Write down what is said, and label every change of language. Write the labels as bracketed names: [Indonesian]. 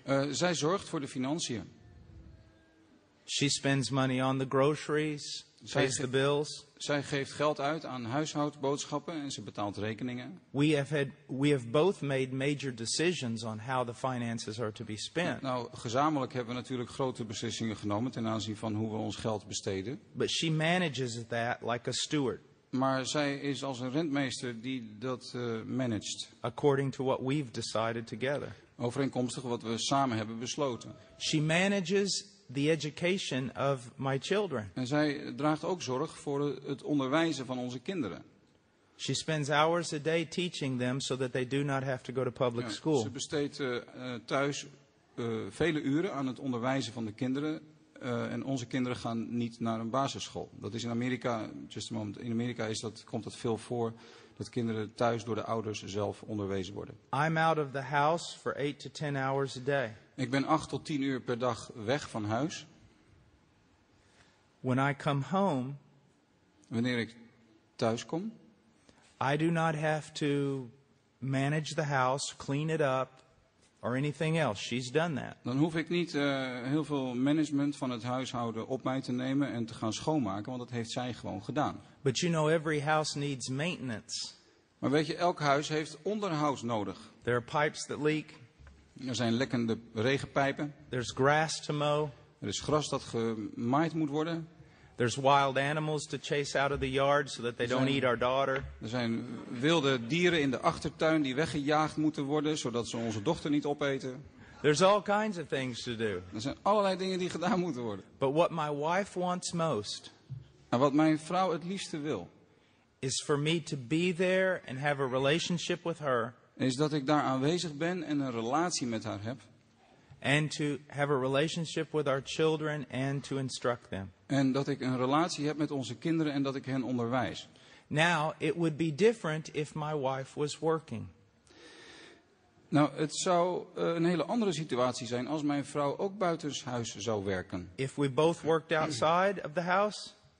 [Dutch] Zij zorgt voor de financiën. [English] She spends money on the groceries, pays the bills. [Dutch] Zij geeft geld uit aan huishoudboodschappen en ze betaalt rekeningen. [English] We have both made major decisions on how the finances are to be spent. [Dutch] Nou, gezamenlijk hebben we natuurlijk grote beslissingen genomen ten aanzien van hoe we ons geld besteden. [English] But she manages that like a steward. [Dutch] Maar zij is als een rentmeester die dat managed. [English] According to what we've decided together. [Dutch] Overeenkomstig wat we samen hebben besloten. [English] She manages the education of my children. [Dutch] En zij draagt ook zorg voor het onderwijzen van onze kinderen. [English] She spends hours a day teaching them so that they do not have to go to public school. [Dutch] Ze besteedt thuis vele uren aan het onderwijzen van de kinderen. En onze kinderen gaan niet naar een basisschool. Dat is in Amerika, [English] just a moment, [Dutch] in Amerika is dat, komt dat veel voor, dat kinderen thuis door de ouders zelf onderwezen worden. [English] I'm out of the house for 8 to 10 hours a day. [Dutch] Ik ben 8 tot 10 uur per dag weg van huis. [English] When I come home, [Dutch] wanneer ik thuis kom, [English] I do not have to manage the house, clean it up, or anything else. She's done that. [Dutch] Dan hoef ik niet heel veel management van het huishouden op mij te nemen en te gaan schoonmaken, want dat heeft zij gewoon gedaan. [English] But you know, every house needs maintenance. [Dutch] Maar weet je, elk huis heeft onderhoud nodig. [English] There are pipes that leak. [Dutch] Er zijn lekkende regenpijpen. [English] There's grass to mow. [Dutch] Er is gras dat gemaaid moet worden. [English] There's wild animals to chase out of the yard so that they don't eat our daughter. [Dutch] Er zijn wilde dieren in de achtertuin die weggejaagd moeten worden zodat ze onze dochter niet opeten. [English] There's all kinds of things to do. [Dutch] Er zijn allerlei dingen die gedaan moeten worden. [English] But what my wife wants most. [Dutch] En wat mijn vrouw het liefste wil. [English] Is for me to be there and have a relationship with her. [Dutch] Is dat ik daar aanwezig ben en een relatie met haar heb. [English] And to have a relationship with our children and to instruct them. [Dutch] En dat ik een relatie heb met onze kinderen en dat ik hen onderwijs. [English] Now, it would be different if my wife was working. [Dutch] Nou, het zou een hele andere situatie zijn als mijn vrouw ook buitenshuis zou werken. [English] If we both worked outside of the house,